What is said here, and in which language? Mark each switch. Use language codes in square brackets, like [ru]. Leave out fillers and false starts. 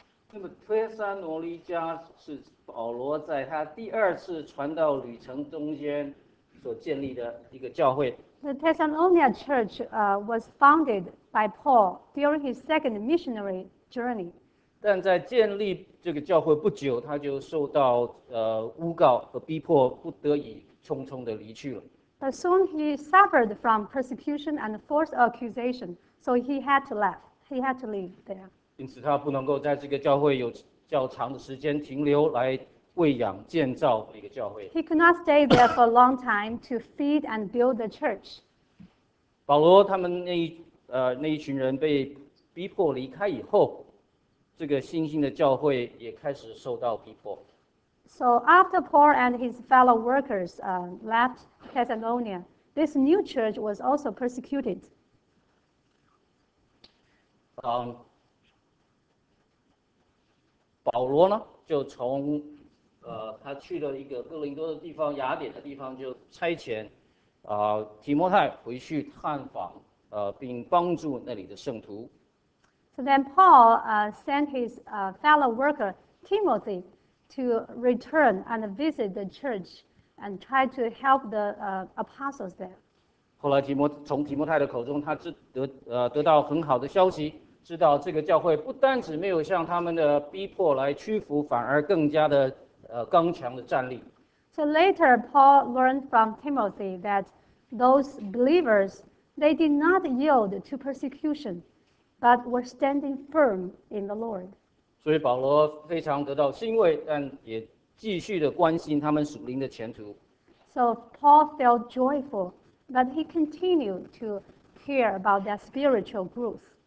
[zh] 那么帖撒罗尼迦是保罗在他第二次传道旅程中间所建立的一个教会。 [en] The Thessalonian church was founded by Paul during his second missionary journey. [zh] 但在建立这个教会不久，他就受到诬告和逼迫，不得已匆匆的离去了。 [en] But soon he suffered from persecution and false accusation, so he had to leave. He had to leave there. [zh] 因此，他不能够在这个教会有较长的时间停留，来喂养建造一个教会。 [en] He could not stay there for a long time to feed and build the church. [zh] 保罗他们那一群人被逼迫离开以后。这个新兴的教会也开始受到逼迫。 [en] So after Paul and his fellow workers left Thessalonica, this new church was also persecuted. [zh] 保罗呢，就从他去了一个哥林多的地方，雅典的地方，就差遣提摩太回去探访，并帮助那里的圣徒。 [en] So then Paul sent his fellow worker, Timothy, to return and visit the church and try to help the apostles there. [zh] 后来从提摩太的口中，他得到很好的消息。知道这个教会不单止没有向他们的逼迫来屈服，反而更加的刚强的站立。 [en] So later, Paul learned from Timothy that those believers they did not yield to persecution, but were standing firm in the Lord. [zh] 所以保罗非常得到欣慰，但也继续的关心他们属灵的前途。 [en] So Paul felt joyful, but he continued to care about their spiritual growth.